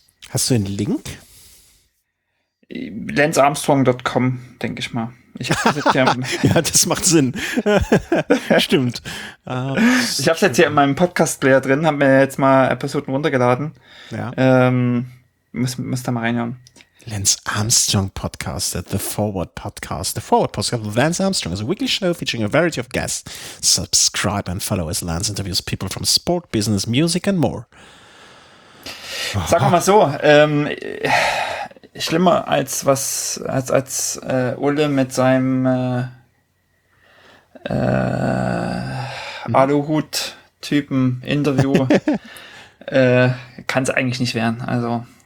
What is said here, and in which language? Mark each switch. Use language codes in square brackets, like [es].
[de] Hast du einen Link? LanceArmstrong.com, denke ich mal. Ich hab's jetzt hier ja, das macht Sinn. Stimmt. Ich habe es jetzt hier in meinem Podcast-Player drin, habe mir jetzt mal Episoden runtergeladen. Ja. Muss da mal reinhören. [en] Lance Armstrong Podcast, the Forward Podcast, the Forward Podcast of Lance Armstrong is a weekly show featuring a variety of guests. Subscribe and follow as Lance interviews people from sport, business, music and more. [de] Sag mal so, schlimmer als was, als Ulle mit seinem Aluhut-Typen-Interview kann es eigentlich nicht werden, also.